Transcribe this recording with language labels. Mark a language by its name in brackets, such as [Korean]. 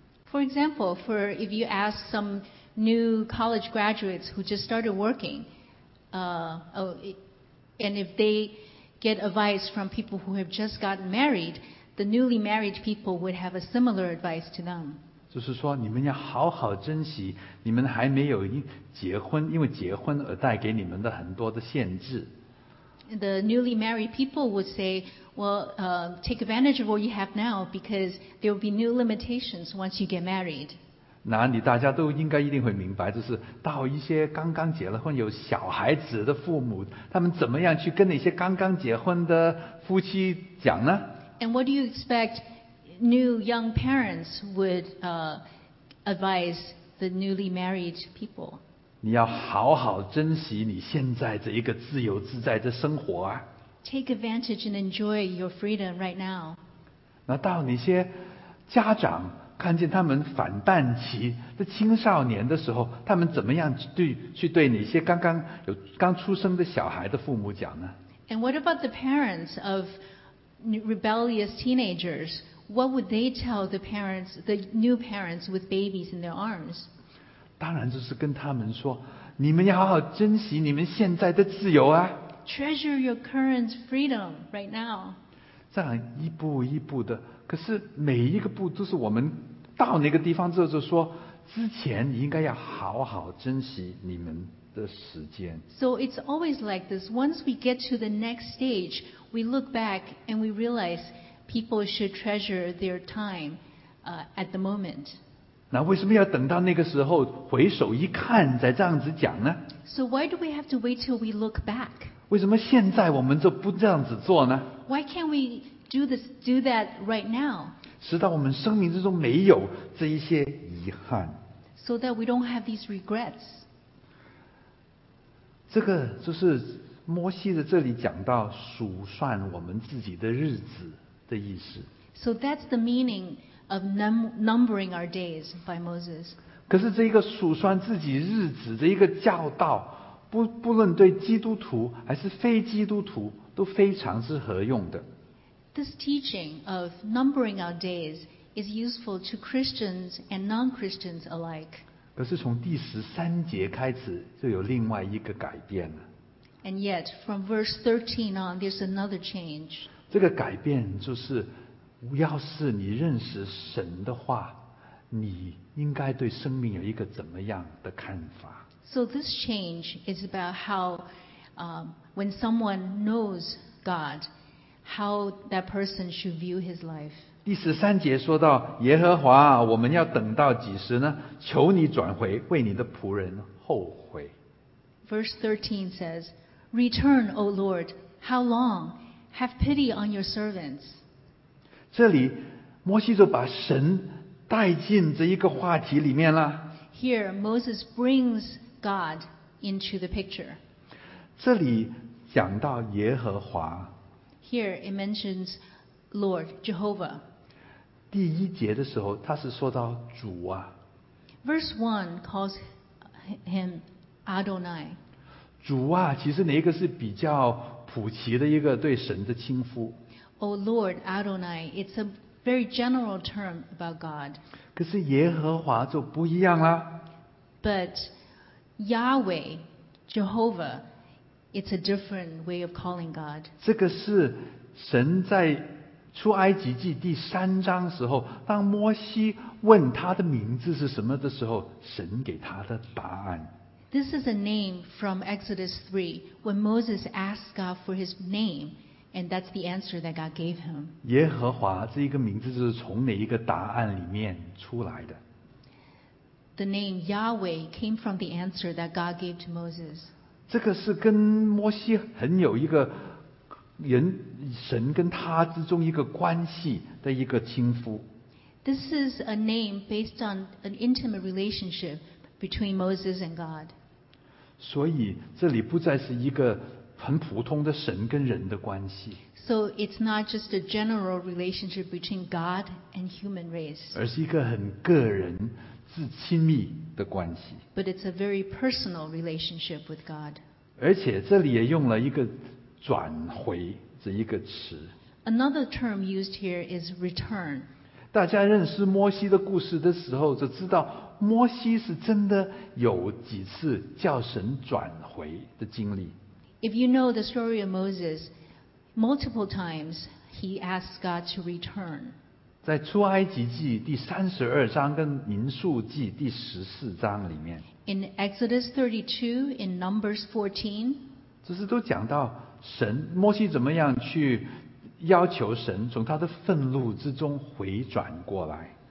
[English] For example, for if you ask some new college graduates who just started working, and if they get advice from people who have just gotten married, the newly married people would have a similar advice to them. [Chinese] 就是说你们要好好珍惜你们还没有结婚，因为结婚而带给你们的很多的限制。 [English] The newly married people would say, well, take advantage of what you have now because there will be new limitations once you get married. [Chinese] 那你大家都应该一定会明白，就是到一些刚刚结了婚有小孩子的父母，他们怎么样去跟那些刚刚结婚的夫妻讲呢？ [English] And what do you expect? New young parents would advise the newly married people. [Chinese] 你要好好珍惜你现在这一个自由自在的生活啊。 [English] Take advantage and enjoy your freedom right now. [Chinese] 那到那些家长看见他们反叛期的青少年的时候，他们怎么样去对那些刚出生的小孩的父母讲呢？ [English] And what about the parents of rebellious teenagers, what would they tell the parents, the new parents with babies in their arms? [Chinese] 当然就是跟他们说，你们要好好珍惜你们现在的自由啊。 [English] Treasure your current freedom right now. [Chinese] 这样一步一步的，可是每一个步都是我们到那个地方之后就说，之前你应该要好好珍惜你们的时间。 [English] So it's always like this. Once we get to the next stage, we look back and we realize people should treasure their time, at the moment. [Chinese] 那为什么要等到那个时候回首一看再这样子讲呢？ [English] So why do we have to wait till we look back? [Chinese] 为什么现在我们就不这样子做呢？ [English] Why can't we do this, do that right now? [Chinese] 直到我们生命之中没有这一些遗憾。 [English] So that we don't have these regrets. [Chinese] 这个就是摩西的这里讲到数算我们自己的日子的意思。 [English] So that's the meaning of numbering our days by Moses. [Chinese] 可是这个数算自己日子这一个教导，不论对基督徒还是非基督徒都非常是合用的。 [English] This teaching of numbering our days is useful to Christians and non-Christians alike. [Chinese] 可是从第十三节开始就有另外一个改变了。 [English] And yet, from verse 13 on, there's another change. [Chinese] 这个改变就是要是你认识神的话，你应该对生命有一个怎么样的看法。 [English] So this change is about how, when someone knows God, how that person should view his life. [Chinese] 第十三节说到，耶和华，我们要等到几时呢？求你转回，为你的仆人后悔。 [English] Verse 13 says, Return, O Lord, how long? Have pity on your servants. [Chinese] 这里，摩西就把神带进这一个话题里面了。 [English] Here, Moses brings God into the picture. [Chinese] 这里讲到耶和华。 [English] Here it mentions Lord Jehovah. [Chinese] 第一节的时候，他是说到主啊。 [English] Verse 1 calls him Adonai. [Chinese] 主啊，其实那个是比较普及的一个对神的称呼。 [English] Oh Lord Adonai, it's a very general term about God. [Chinese] 可是耶和华就不一样啦。 [English] But Yahweh, Jehovah, it's a different way of calling God. [Chinese] 这个是神在出埃及记第三章时候，当摩西问他的名字是什么的时候，神给他的答案。 [English] This is a name from Exodus 3, when Moses asked God for his name, and that's the answer that God gave him. [Chinese] 耶和华这一个名字就是从哪一个答案里面出来的。 [English] The name Yahweh came from the answer that God gave to Moses. [Chinese] 这个是跟摩西很有一个人神跟他之中一个关系的一个称呼。 [English] This is a name based on an intimate relationship between Moses and God. [Chinese] 所以这里不再是一个很普通的神跟人的关系。 [English] So it's not just a general relationship between God and human race. [Chinese] 而是一个很个人是亲密的关系。 [English] But it's a very personal relationship with God. [Chinese] 而且这里也用了一个转回这一个词。 [English] Another term used here is return. [Chinese] 大家认识摩西的故事的时候，就知道摩西是真的有几次叫神转回的经历。 [English] If you know the story of Moses, multiple times he asked God to return. [Chinese] 在出埃及记第三十二章跟民数记第十四章里面 [English] ，In Exodus 32, in Numbers 14, [Chinese] 这是都讲到神摩西怎么样去要求神从他的愤怒之中回转过来。